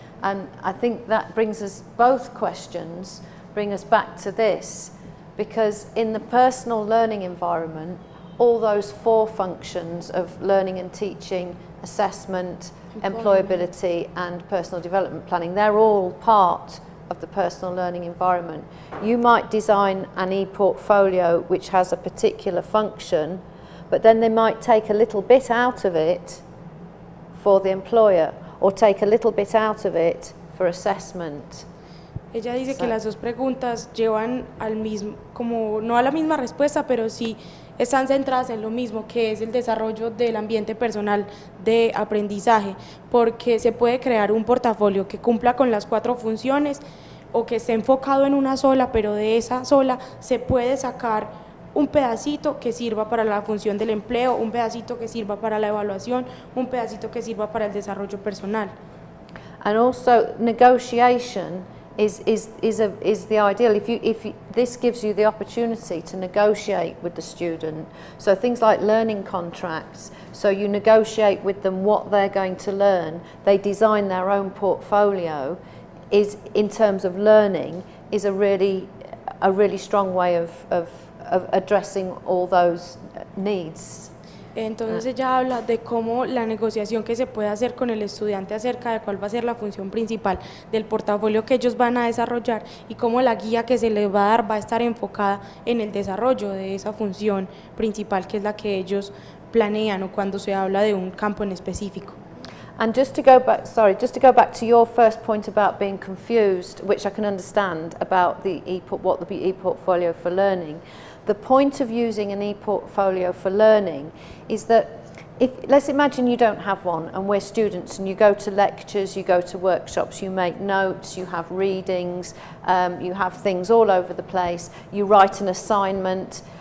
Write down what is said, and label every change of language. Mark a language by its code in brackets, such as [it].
[en] And I think that brings us, both questions bring us back to this, because in the personal learning environment, all those four functions of learning and teaching, assessment, employability and personal development planning, they're all part of the personal learning environment. You might design an e-portfolio which has a particular function, but then they might take a little bit out of it for the employer, or take a little bit out of it for assessment. [es] Ella dice que las dos preguntas llevan al mismo, como no a la misma respuesta, pero sí están centradas en lo mismo, que es el desarrollo del ambiente personal de aprendizaje, porque se puede crear un portafolio que cumpla con las cuatro funciones o que esté enfocado en una sola, pero de esa sola se puede sacar un pedacito que sirva para la función del empleo, un pedacito que sirva para la evaluación, un pedacito que sirva para el desarrollo personal. [en] And also negotiation is the ideal. If you, this gives you the opportunity to negotiate with the student. So things like learning contracts, so you negotiate with them what they're going to learn, they design their own portfolio, is in terms of learning, is a really strong way of addressing all those needs. [es] Entonces ella habla de cómo la negociación que se puede hacer con el estudiante acerca de cuál va a ser la función principal del portafolio que ellos van a desarrollar y cómo la guía que se les va a dar va a estar enfocada en el desarrollo de esa función principal, que es la que ellos planean, o cuando se habla de un campo en específico. [en] And just to go back to your first point about being confused, which I can understand about the e-portfolio for learning. The point of using an e-portfolio for learning is that, let's imagine you don't have one and we're students and you go to lectures, you go to workshops, you make notes, you have readings, you have things all over the place, you write an assignment.